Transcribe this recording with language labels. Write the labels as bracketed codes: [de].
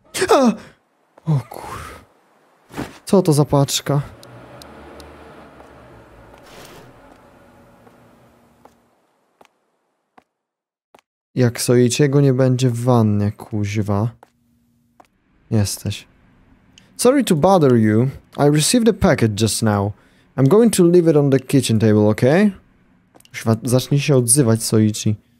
[pl] A! O kur... Co to za paczka? Jak Soichiego nie będzie w wannie, kuźwa. Jesteś. [en] Sorry to bother you. I received a packet just now. I'm going to leave it on the kitchen table, okay? [pl] Kuźwa, zacznij się odzywać, Soichi.